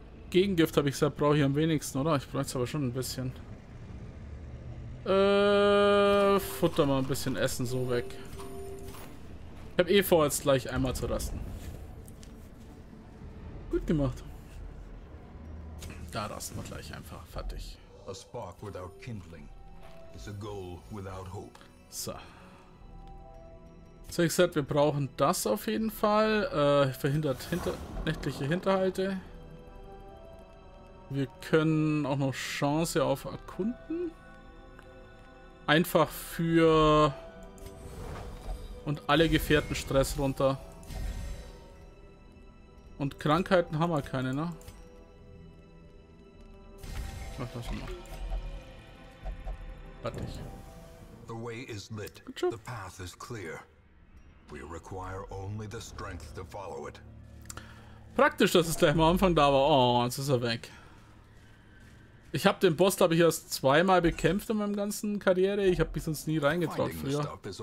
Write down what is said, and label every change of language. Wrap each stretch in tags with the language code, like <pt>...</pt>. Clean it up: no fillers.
<de>Gegengift habe ich gesagt, brauche ich am wenigsten, oder? Ich brauche es aber schon ein bisschen. Futter mal ein bisschen Essen so weg. Ich habe eh vor, jetzt gleich einmal zu rasten. Gut gemacht. Da rasten wir gleich einfach. Fertig.</de> <en>A spark without kindling is a goal without hope.</en> <de>So. So, ich sag, wir brauchen das auf jeden Fall. Verhindert nächtliche Hinterhalte. Wir können auch noch Chance auf Erkunden. Einfach für... Und alle Gefährten Stress runter. Und Krankheiten haben wir keine, ne? Mach das mal. Warte ich.</de> <en>The way is lit. The path is clear. We require only the strength to follow it.</en> <de>Praktisch, dass es gleich am Anfang da war. Oh, jetzt ist er weg. Ich habe den Boss, glaube ich, erst zweimal bekämpft in meinem ganzen Karriere. Ich habe mich sonst nie reingetraut früher.</de>